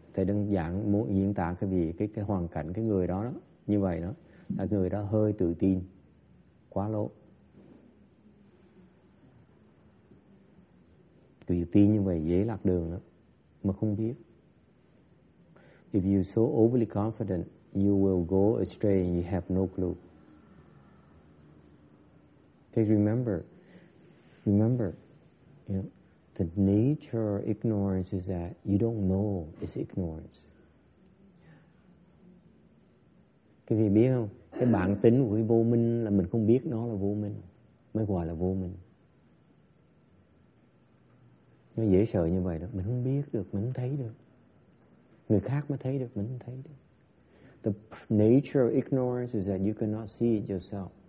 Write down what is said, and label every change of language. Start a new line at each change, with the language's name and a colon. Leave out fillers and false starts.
Vietnamese: Thầy đơn giản muốn diễn tả cái hoàn cảnh cái người đó như vậy đó, là người đó hơi tự tin, quá lố. Tự tin như vậy dễ lạc đường đó, mà không biết.
English: If you're so overly confident, you will go astray and you have no clue. Okay, remember, you know, the nature of ignorance is that you don't know it's ignorance.
Vietnamese: Các vị biết không? Cái bản tính của cái vô minh là mình không biết nó là vô minh, mới gọi là vô minh. Nó dễ sợ như vậy đó. Mình không biết được, mình không thấy được. Người khác mới thấy được, mình không thấy được.
English: The nature of ignorance is that you cannot see it yourself.